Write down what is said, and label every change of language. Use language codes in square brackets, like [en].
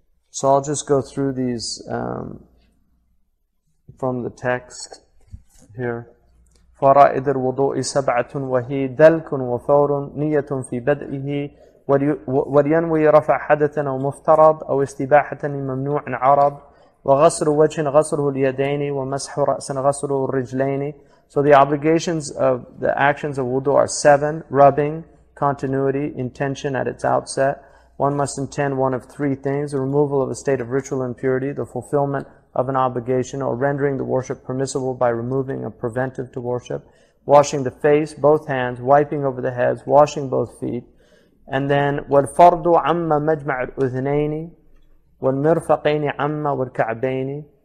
[en] So I'll just go through these from the text here. [ar] فرائد الوضوء سبعة وهي دلك وثور نية في بدئه ولينوي رفع حدث أو مفترض أو استباحة ممنوع عرض وغسل وجه غسله اليدين ومسح رأس غسله الرجلين. [en] So the obligations of the actions of wudu are seven: rubbing, continuity, intention at its outset. One must intend one of three things: the removal of a state of ritual impurity, the fulfillment of an obligation, or rendering the worship permissible by removing a preventive to worship, washing the face, both hands, wiping over the heads, washing both feet, and then [ar] وَالْفَرْضُ عَمَّ مَجْمَعُ الْأُذْنَيْنِ وَالْمِرْفَقَيْنِ عَمَّ وَالْكَعْبَيْنِ.